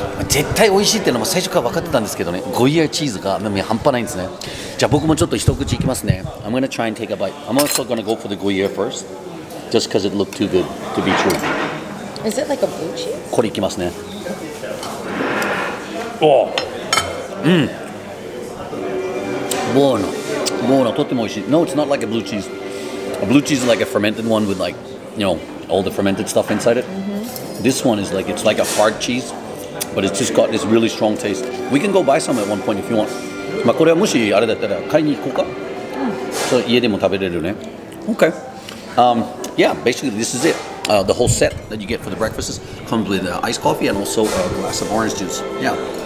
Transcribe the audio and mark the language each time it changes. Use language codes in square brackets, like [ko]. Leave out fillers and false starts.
[ja] 絶対美味しいっていうのも最初から分かってたんですけどね。ゴイヤチーズが半端ないんですね。じゃあ僕もちょっと一口いきますね。 [en] I'm gonna try and take a bite. I'm also gonna go for the Gruyere first. Just because it looked too good to be true. Is it like a blue cheese? [ja] これいきますね。おぉ。うん。 [it] Buono. Buono. [ja] とっても美味しい。 [en] No, it's not like a blue cheese. A blue cheese is like a fermented one with like. You know, all the fermented stuff inside it.、 Mm-hmm. This one is like, it's like a hard cheese, but it's just got this really strong taste. We can go buy some at one point if you want. [ja] まあこれはもしあれだったら買いに行こうか。そう、家でも食べれるね。 [en] Okay. Yeah, basically this is it. The whole set that you get for the breakfasts comes with iced coffee and also a glass of orange juice. Yeah.